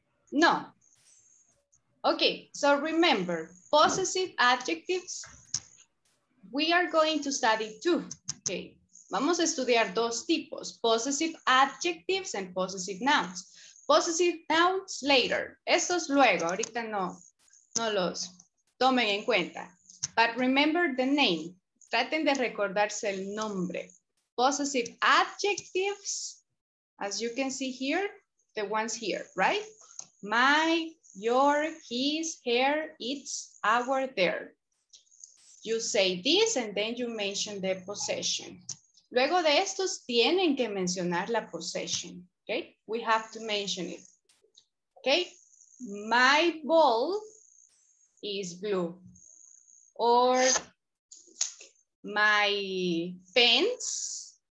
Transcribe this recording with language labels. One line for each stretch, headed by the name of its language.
English: No. Okay, so remember, possessive adjectives, we are going to study two.
Spanish: Okay, vamos a estudiar dos tipos,
English: possessive adjectives and possessive nouns. Possessive nouns later.
Spanish: Estos luego, ahorita no los tomen en cuenta.
English: But remember the name.
Spanish: Traten de recordarse el nombre.
English: Possessive adjectives, as you can see here, the ones here, right? My, your, his, her, it's, our, their. You say this and then you mention the possession.
Spanish: Luego de estos, tienen que mencionar la possession, okay?
English: We have to mention it, okay? My ball is blue. Or my pants.